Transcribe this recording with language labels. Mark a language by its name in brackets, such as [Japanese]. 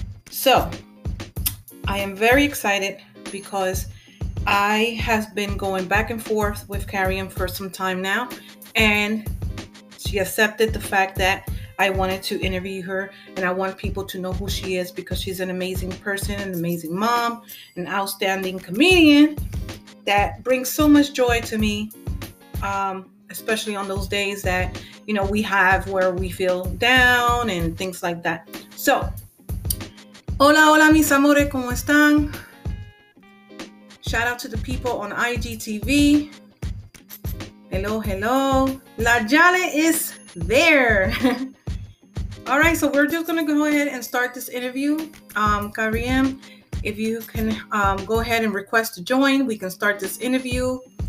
[English] So I am very excited because I have been going back and forth with Kariam for some time now, and she accepted the fact that I wanted to interview her, and I want people to know who she is because she's an amazing person, an amazing mom, an outstanding comedian that brings so much joy to me, especially on those days that, you know, we have where we feel down and things like that. [Spanish] So, hola, hola, mis amores, ¿cómo están? [English] Shout out to the people on IGTV. Hello, hello. La Jolly is there. All right, so we're just going to go ahead and start this interview. Kariam, if you can go ahead and request to join, we can start this interview.